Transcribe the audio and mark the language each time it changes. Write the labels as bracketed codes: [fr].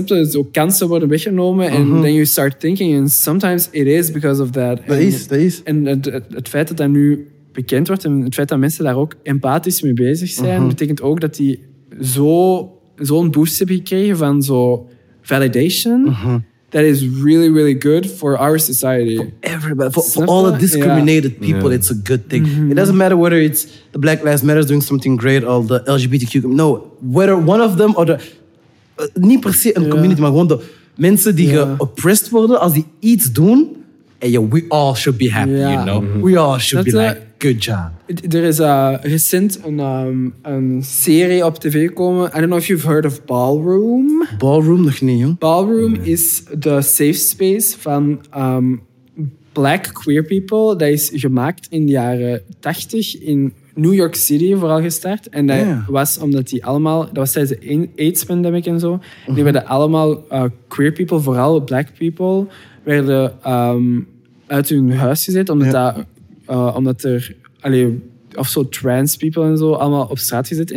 [nl] zo kansen worden weggenomen en [en] then you start thinking and sometimes it is because of that. [nl] Dat is. En het feit dat dat nu bekend wordt en het feit dat mensen daar ook empathisch mee bezig zijn, betekent ook dat die zo'n boost hebben gekregen van zo validation. [en] That is really, really good for our society. For everybody. For all the discriminated people, it's a good thing. Mm-hmm. It doesn't matter whether it's the Black Lives Matter doing something great or the LGBTQ. No, whether one of them or the... [nl] niet per se een community, maar gewoon de mensen die geoppressed worden, als die iets doen, [en] hey, yo, we all should be happy, yeah. You know? Mm-hmm. We all should be like, good job. [nl] Er is recent een serie op tv gekomen. [en] I don't know if you've heard of Ballroom. [nl] Ballroom, nog niet, jong. Ballroom is de safe space van [en] black queer people. [nl] Dat is gemaakt in de jaren 80 in New York City vooral gestart. En dat was omdat die allemaal... Dat was tijdens de AIDS-pandemic en zo. Uh-huh. Die werden allemaal queer people, vooral black people, werden uit hun huis gezet. Omdat, of zo trans people en zo, allemaal op straat gezet.